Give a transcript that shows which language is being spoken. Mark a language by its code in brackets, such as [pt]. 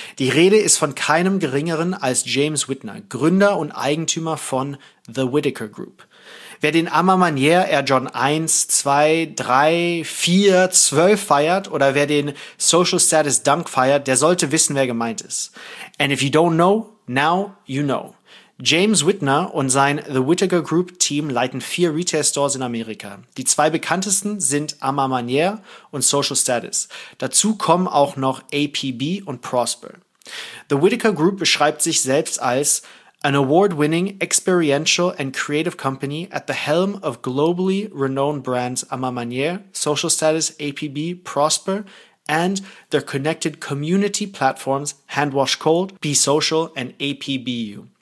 [de] Die Rede ist von keinem geringeren als James Whitner, Gründer und Eigentümer von The Whitaker Group. Wer den Armand Manier Air Jordan 1, 2, 3, 4, 12 feiert oder wer den Social Status Dunk feiert, der sollte wissen, wer gemeint ist. [en] And if you don't know, now you know. [de] James Whitner und sein The Whitaker Group Team leiten 4 Retail Stores in Amerika. Die 2 bekanntesten sind Armand Manier und Social Status. Dazu kommen auch noch APB und Prosper. [en] The Whittaker Group [de] beschreibt sich selbst als [en] an award-winning, experiential and creative company at the helm of globally renowned brands Ama Manier, Social Status, APB, Prosper and their connected community platforms Handwash Cold, Be Social and APBU.